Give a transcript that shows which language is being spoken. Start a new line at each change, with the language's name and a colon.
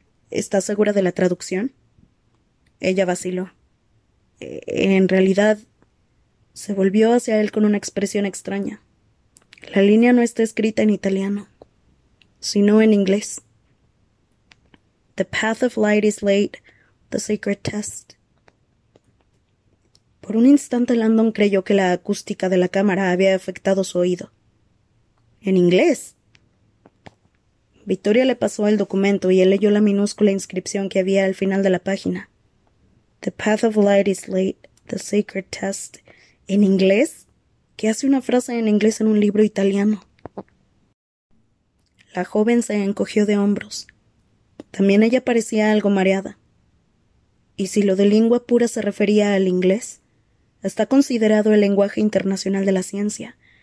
Spanish: ¿Estás segura de la traducción? Ella vaciló. En realidad, se volvió hacia él con una expresión extraña. La línea no está escrita en italiano, sino en inglés.
English: The path of light is laid, the sacred test.
Spanish: Por un instante, Landon creyó que la acústica de la cámara había afectado su oído. ¿En inglés? Victoria le pasó el documento y él leyó la minúscula inscripción que había al final de la página.
English: The path of light is laid, the sacred test.
Spanish: ¿En inglés? ¿Qué hace una frase en inglés en un libro italiano? La joven se encogió de hombros. También ella parecía algo mareada. ¿Y si lo de lengua pura se refería al inglés? Está considerado el lenguaje internacional de la ciencia.